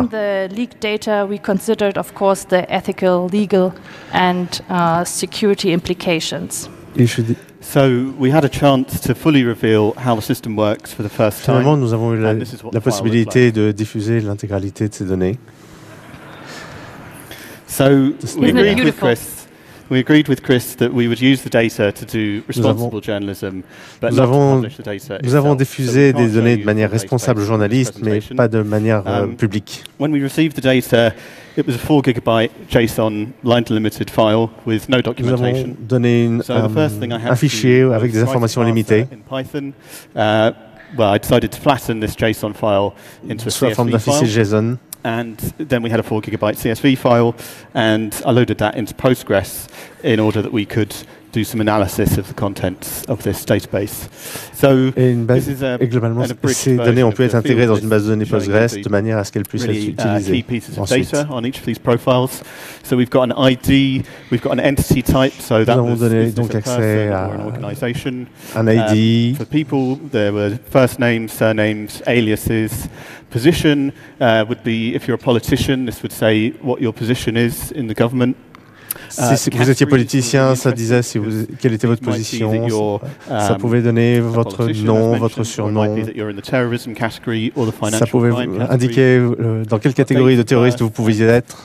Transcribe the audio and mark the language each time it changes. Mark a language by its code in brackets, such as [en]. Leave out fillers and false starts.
[en] And for viewing the leaked data, we considered, of course, the ethical, legal, and security implications. So we had a chance to fully reveal how the system works for the first time. [fr] Finalement, nous avons eu la possibilité de diffuser l'intégralité de ces données. [en] So we agreed with Chris. We agreed with Chris that we would use the data to do responsible journalism, but not to publish the data. [fr] Nous avons diffusé des données de manière responsable journaliste, mais pas de manière publique. [en] When we received the data, it was a 4 GB JSON line delimited file with no documentation. [fr] Nous avons donné un fichier avec des informations limitées. [en] I decided to flatten this JSON file into a CSV file. [fr] Sous la forme d'un fichier JSON. [en] And then we had a 4 GB CSV file, and I loaded that into Postgres in order that we could do some analysis of the contents of this database. So this is a [fr] globalement, ces données ont pu être intégrées dans une base de données Postgres de manière à ce qu'elles puissent être utilisées. [en] Key pieces of data on each of these profiles. So we've got an ID, we've got an entity type. So that was [fr] donc accès à [en] an organization. An ID for people. There were first names, surnames, aliases. Position would be if you're a politician, this would say what your position is in the government. [fr] Si vous étiez politicien, ça disait quelle était votre position. Ça pouvait donner votre nom, votre surnom. Ça pouvait indiquer dans quelle catégorie de terroriste vous pouviez être.